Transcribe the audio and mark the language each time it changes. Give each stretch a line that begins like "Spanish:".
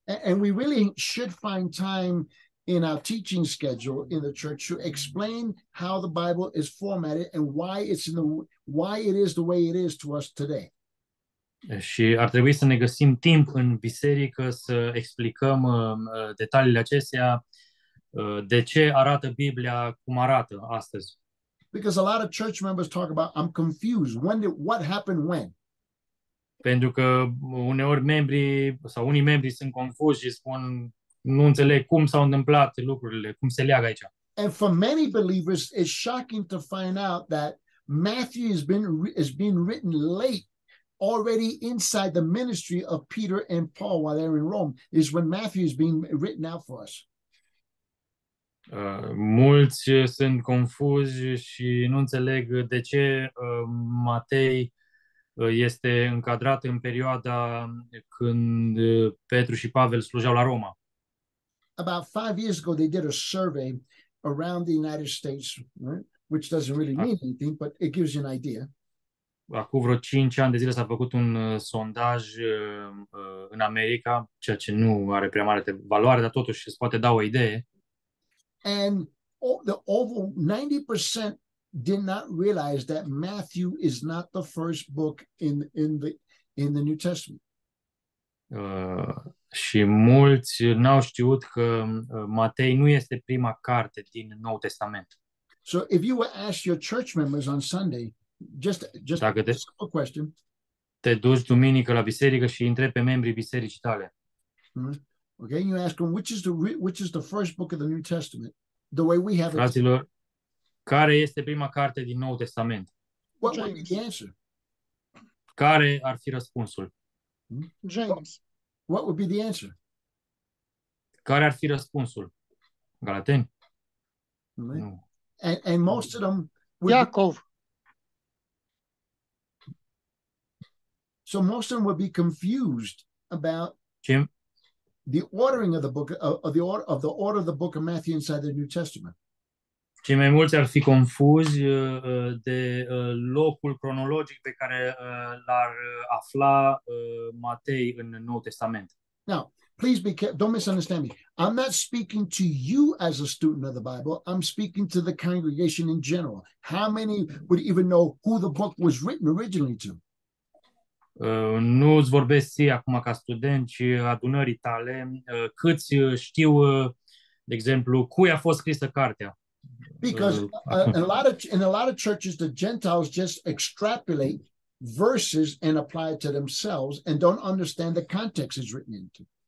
English: And we really should find time in our teaching schedule in the church to explain how the Bible is formatted and why it is the way it is to us today.
Romanian: Și ar trebui să ne găsim timp în biserică să explicăm detaliile acestea, de ce arată Biblia cum arată astăzi.
English: Because a lot of church members talk about I'm confused, what happened when?
Romanian: Pentru că uneori unii membri sunt confuși și spun nu înțeleg cum s-au întâmplat lucrurile, cum se leagă aici.
English: And for many believers it's shocking to find out that Matthew has been written late, already inside the ministry of Peter and Paul while they're in Rome is when Matthew is being written out for us.
Romanian: Mulți sunt confuși și nu înțeleg de ce Matei este încadrat în perioada când Petru și Pavel slujeau la Roma.
English: About 5 years ago, they did a survey around the United States, right? Which doesn't really mean anything, but it gives you an idea.
Romanian: Acum vreo 5 ani de zile s-a făcut un sondaj în America, ceea ce nu are prea mare valoare, dar totuși se poate da o idee.
English: And the over 90% did not realize that Matthew is not the first book in the New Testament.
Romanian: Și mulți n-au știut că Matei nu este prima carte din Noul Testament.
English: So if you were asked your church members on Sunday, just
Romanian: dacă
English: a simple question.
Romanian: Te duci duminică la biserică și întrebi pe membrii bisericii tale.
English: Okay, you ask them which is the first book of the New Testament, the way we have it.
Romanian: Fraților, care este prima carte din Noul Testament?
English: What would be the answer?
Romanian: Care ar fi răspunsul?
English: James. What would be the answer?
Romanian: Care ar fi răspunsul? Galateni?
English: Right.
Romanian: Nu.
English: And most of them would
Romanian: Iacov.
English: So most of them would be confused about Jim. The ordering of the book of the order of the book of Matthew inside the New Testament.
Romanian: Cei mai mulți ar fi confuzi de locul cronologic pe care l-ar afla Matei în Noul Testament.
English: Now, please don't misunderstand me. I'm not speaking to you as a student of the Bible. I'm speaking to the congregation in general. How many would even know who the book was written originally to?
Romanian: Nu îți vorbesc acum ca student, ci adunării tale. Câți știu De exemplu, cui a fost scrisă cartea?
English: Because in a lot of churches, the Gentiles just extrapolate verses and apply it to themselves and don't understand the context it's written into.